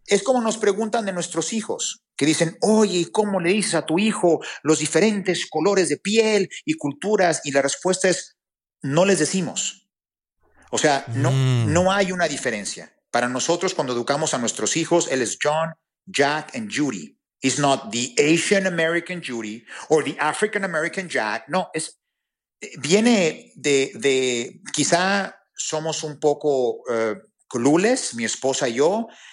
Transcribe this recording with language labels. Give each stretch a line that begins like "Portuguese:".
Spanish: Es como nos preguntan de nuestros hijos, que dicen, oye, ¿cómo le dices a tu hijo los diferentes colores de piel y culturas? Y la respuesta es, no les decimos. O sea, no hay una diferencia. Para nosotros, cuando educamos a nuestros hijos, él es John, Jack, and Judy.
English: It's not the Asian American Judy or the African American Jack.
Spanish: No, es... Viene de quizá somos un poco clueless, mi esposa y yo.